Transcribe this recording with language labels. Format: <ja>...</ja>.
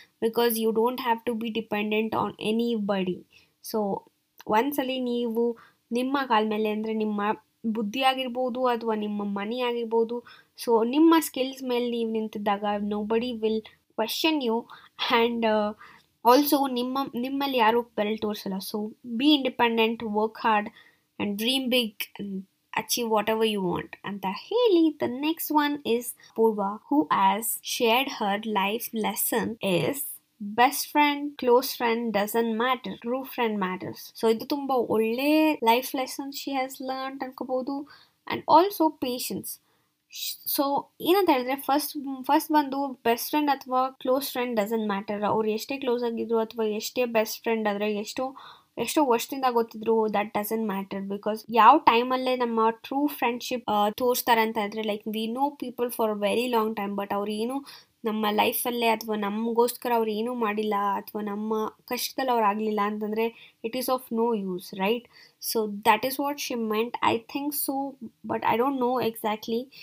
<en>Because you don't have to be dependent on anybody. So</en> <kn>ಒಂದ್ಸಲಿ ನೀವು ನಿಮ್ಮ ಕಾಲ ಮೇಲೆ ಅಂದರೆ ನಿಮ್ಮ ಬುದ್ಧಿ ಆಗಿರ್ಬೋದು ಅಥವಾ ನಿಮ್ಮ ಮನಿ ಆಗಿರ್ಬೋದು, ಸೊ ನಿಮ್ಮ ಸ್ಕಿಲ್ಸ್ ಮೇಲೆ ನೀವು ನಿಂತಿದ್ದಾಗ</kn> <en>Nobody will question you.</en> <kn>And also ನಿಮ್ಮಲ್ಲಿ ಯಾರೂ ಬೆರಳ್ ತೋರಿಸಲ್ಲ.</kn> <en>so be independent, work hard and dream big, achieve whatever you want</en> <kn>anta heli.</kn> <en>The next one is Purva, who has shared her life lesson is best friend, close friend doesn't matter, true friend matters. So</en> <kn>idu thumba olle</kn> <en>life lesson she has learned</en> <kn>ankobodu.</kn> <en>And also patience. So</en> <kn>enanta helidre,</kn> <en>first bandu best friend athwa close friend doesn't matter,</en> <kn>avaru eshte close agidru athwa eshte best friend adre ಎಷ್ಟೋ ವರ್ಷದಿಂದ ಗೊತ್ತಿದ್ರು,</kn> <en>That doesn't matter.</en> <kn>Because ಯಾವ ಟೈಮಲ್ಲೇ ನಮ್ಮ true friendship ತೋರಿಸ್ತಾರೆ ಅಂತ ಅಂದರೆ,</kn> <en>like we know people for very long time,</en> <kn>but ಅವ್ರೇನು ನಮ್ಮ ಲೈಫಲ್ಲೇ ಅಥವಾ ನಮಗೋಸ್ಕರ ಅವ್ರೇನು ಮಾಡಿಲ್ಲ ಅಥವಾ ನಮ್ಮ ಕಷ್ಟದಲ್ಲಿ ಅವ್ರು ಆಗಲಿಲ್ಲ ಅಂತಂದರೆ</kn> <en>It is of no use, right? So that is what she meant, I think so, but I don't know exactly.</en>